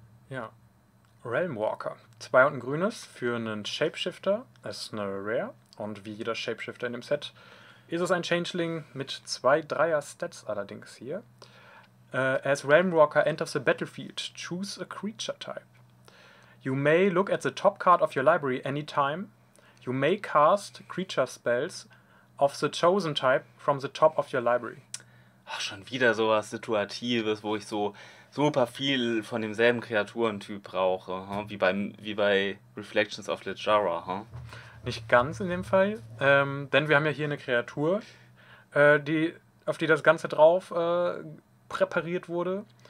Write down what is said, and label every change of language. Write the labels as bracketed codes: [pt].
[de] Ja. Realmwalker. 2 und ein grünes für einen Shapeshifter. Es ist eine Rare. Und wie jeder Shapeshifter in dem Set ist es ein Changeling mit 2 Dreier Stats allerdings hier. [en] As Realmwalker enters the battlefield, choose a creature type. You may look at the top card of your library anytime. You may cast creature spells of the chosen type from the top of your library. [de] Ach, schon wieder sowas Situatives, wo ich so super viel von demselben Kreaturentyp brauche, wie bei Reflections of Lejara. Huh? Nicht ganz in dem Fall, denn wir haben ja hier eine Kreatur, auf die das Ganze drauf präpariert wurde.